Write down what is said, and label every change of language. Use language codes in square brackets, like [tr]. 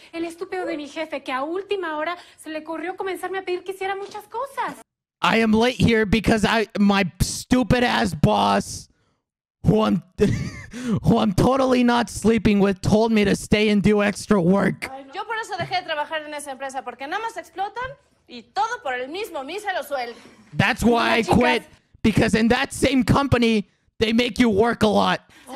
[es] El estúpido de mi jefe que a última hora se le ocurrió comenzarme a pedir que hiciera muchas cosas. [en] I am late here because my stupid ass boss, who I'm totally not sleeping with, told me to stay and do extra work. [es] Yo por eso dejé de trabajar en esa empresa porque nada más explotan y todo por el mismo mísero sueldo. [en] That's why I quit, because in that same company they make you work a lot.